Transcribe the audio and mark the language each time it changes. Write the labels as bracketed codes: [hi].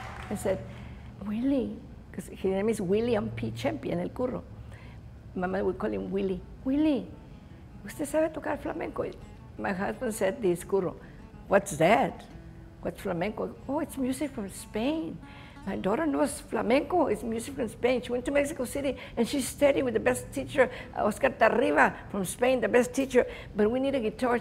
[en] I said, Willie, because his name is William P. Champion, el curro. Mama would call him Willie. [es] Willie, ¿usted sabe tocar flamenco? [en] My husband said this, curro, what's that? What's flamenco? Oh, it's music from Spain. My daughter knows flamenco, it's music from Spain. She went to Mexico City and she studied with the best teacher, Oscar Tarriba from Spain, the best teacher, but we need a guitar.